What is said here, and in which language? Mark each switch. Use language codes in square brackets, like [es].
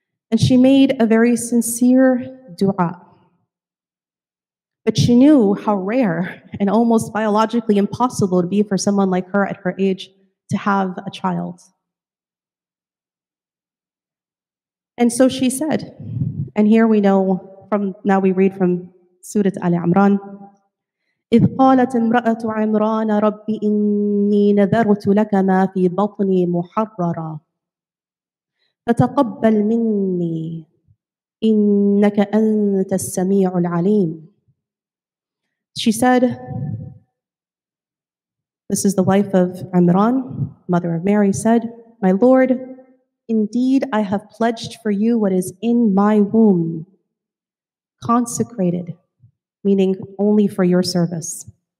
[en] And she made a very sincere dua. But she knew how rare and almost biologically impossible it would be for someone like her at her age to have a child. And so she said, and here we know from, now we read from Surah Ali Imran, [ar] إِذْ قَالَتْ إِمْرَأَةُ عِمْرَانَ رَبِّ إِنِّي نَذَرْتُ لَكَ مَا فِي بَطْنِي مُحَرَّرًا فَتَقَبَّلْ مِنِّي إِنَّكَ أَنْتَ السَّمِيعُ الْعَلِيمُ. [en] She said, this is the wife of Imran, mother of Mary, said, my Lord, indeed I have pledged for you what is in my womb, consecrated, meaning only for your service.